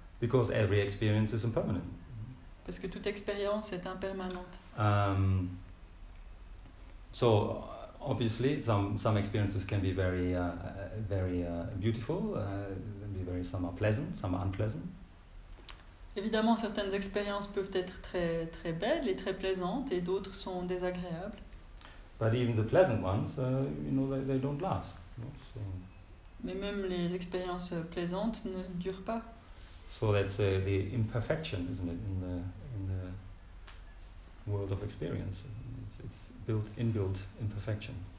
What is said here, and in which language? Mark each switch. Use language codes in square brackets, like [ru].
[en] Because every experience is impermanent. [fr] Parce que toute expérience est impermanente. [en] So obviously some experiences can be very very beautiful, some are pleasant, some are unpleasant. [fr] Évidemment, certaines expériences peuvent être très très belles et très plaisantes, et d'autres sont désagréables. [en] But even the pleasant ones, you know, they don't last. So. [fr] Mais même les expériences plaisantes ne durent pas. [en] So that's the imperfection, isn't it, in the world of experience? It's built inbuilt imperfection.